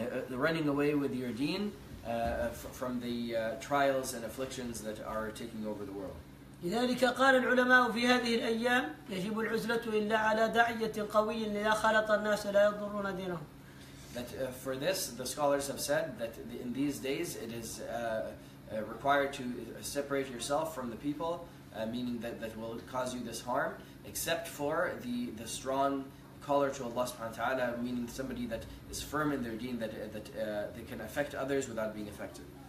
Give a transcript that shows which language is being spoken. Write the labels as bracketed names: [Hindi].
[English] Running away with your deen from the trials and afflictions that are taking over the world. [Arabic] لذلك قال العلماء في هذه الأيام يجب العزلة إلا على داعية قوي لا خلط الناس لا يضرون دينهم. [English] That for this, the scholars have said that in these days it is required to separate yourself from the people, meaning that will cause you this harm, except for the strong caller to Allah subhanahu wa ta'ala, meaning somebody that is firm in their deen, that they can affect others without being affected.